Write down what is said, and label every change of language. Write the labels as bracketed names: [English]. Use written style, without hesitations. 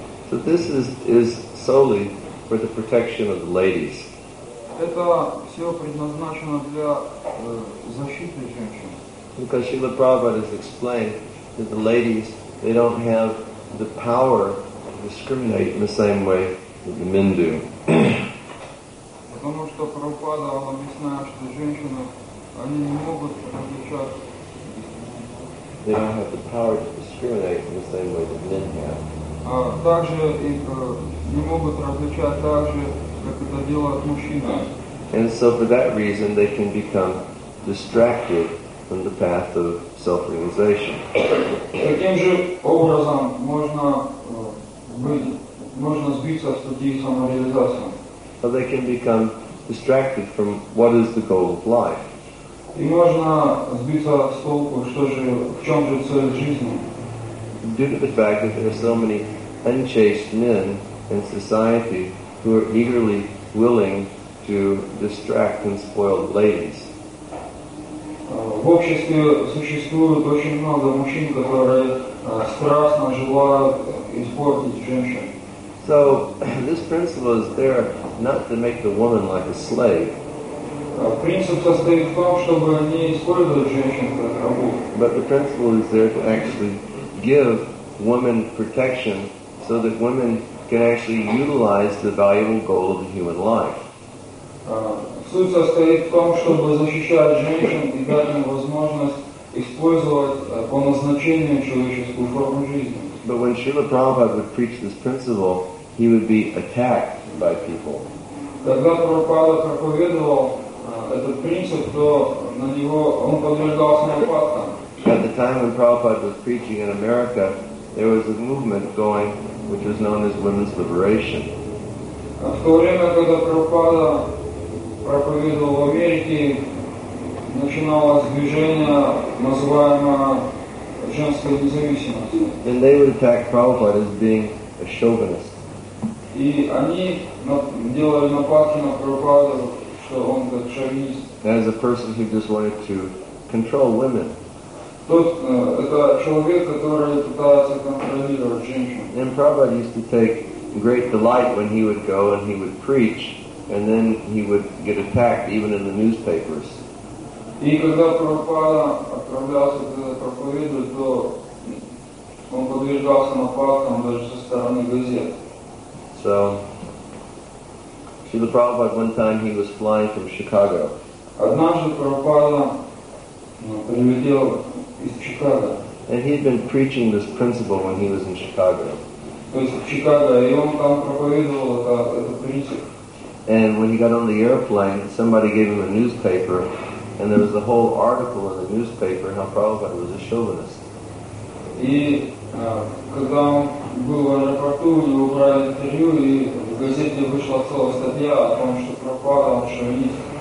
[English] So this is solely for the protection of the ladies. [Russian] Это все предназначено для защиты женщин. [English] Because Srila Prabhupada has explained that the ladies, they don't have the power to discriminate in the same way that the men do. [Russian] Потому что Прабхупада объясняет, что женщины, они не могут различать. [English] They don't have the power to discriminate in the same way that men have. [Russian] Также их не могут различать также, как это делают мужчины. [English] And so for that reason, they can become distracted from the path of self-realization. [Russian] Таким же образом можно быть, можно сбиться с пути самореализации. [English] So they can become distracted from what is the goal of life. [Russian] И можно сбиться с толку, что же, в чем же цель жизни. [English] due to the fact that there are so many unchaste men in society who are eagerly willing to distract and spoil the ladies. [Russian] В обществе существует очень много мужчин, которые страстно желают испортить женщин. [English] So this principle is there not to make the woman like a slave. [Russian] Принцип состоит в том, чтобы не использовать женщин как рабу. [English] But the principle is there to actually give women protection so that women can actually utilize the valuable goal of the human life. [Russian] Суть состоит в том, чтобы защищать женщин и дать им возможность использовать по назначению человеческую форму жизни. [English] But when Srila Prabhupada would preach this principle, he would be attacked by people. [Russian] Когда Прабхупада проповедовал этот принцип, то на него он подвергался нападкам. [English] At the time when Prabhupada was preaching in America, there was a movement going which was known as women's liberation. [Russian] В то время, когда Прабхупада проповедовал в Америке, начиналось движение, называемое женская независимость. [English] And they would attack Prabhupada as being a chauvinist. [Russian] И они делали нападки на Прабхупаду, что он как шовинист. [English] As a person who just wanted to control women. [Russian] Тот это человек, который пытается контролировать женщин. [English] And Prabhupada used to take great delight when he would go and he would preach. And then he would get attacked even in the newspapers. [Russian] И когда Прабхупада отправлялся туда проповедовать, то он подвергался нападкам даже со стороны газет. [English] So, Srila Prabhupada, one time he was flying from Chicago. [Russian] Однажды Прабхупада прилетел из Чикаго. [English] And he had been preaching this principle when he was in Chicago. [Russian] То есть в Чикаго, и он там проповедовал этот принцип. [English] And when he got on the airplane, somebody gave him a newspaper, and there was a whole article in the newspaper how Prabhupada was a chauvinist. [Russian] И когда он был в аэропорту, его брали интервью, и в газете вышла целая статья о том, что Прабхупада шовинист.